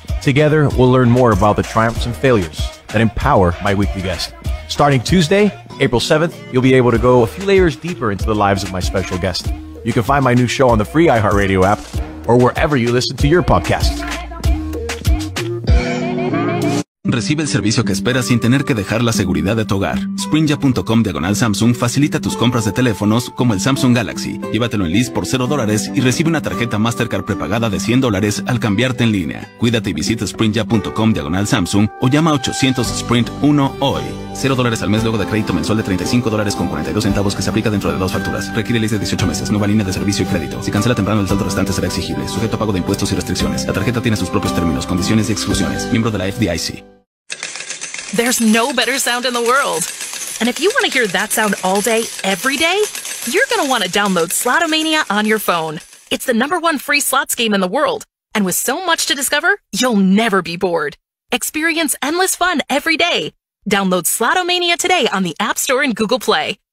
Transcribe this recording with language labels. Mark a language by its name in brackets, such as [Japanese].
[English] Together, we'll learn more about the triumphs and failures that empower my weekly guest. Starting Tuesday, April 7th, you'll be able to go a few layers deeper into the lives of my special guest. You can find my new show on the free iHeartRadio app or wherever you listen to your podcasts. [Spanish] Recibe el servicio que esperas sin tener que dejar la seguridad de tu hogar. Sprinja.com/Samsung facilita tus compras de teléfonos como el Samsung Galaxy. Llévatelo en Lis por $0 y recibe una tarjeta Mastercard prepagada de $100 al cambiarte en línea. Cuídate y visita Sprinja.com/Samsung o llama 800-SPRINT-1 hoy. $0 al mes luego de crédito mensual de $35.42 que se aplica dentro de dos facturas. Requiere Lis de 18 meses, nueva línea de servicio y crédito. Si cancela temprano, el saldo restante será exigible. Sujeto a pago de impuestos y restricciones. La tarjeta tiene sus propios términos, condiciones y exclusiones. Miembro de la FDIC. [English] There's no better sound in the world. And if you want to hear that sound all day, every day, you're going to want to download Slotomania on your phone. It's the number one free slots game in the world. And with so much to discover, you'll never be bored. Experience endless fun every day. Download Slotomania today on the App Store and Google Play.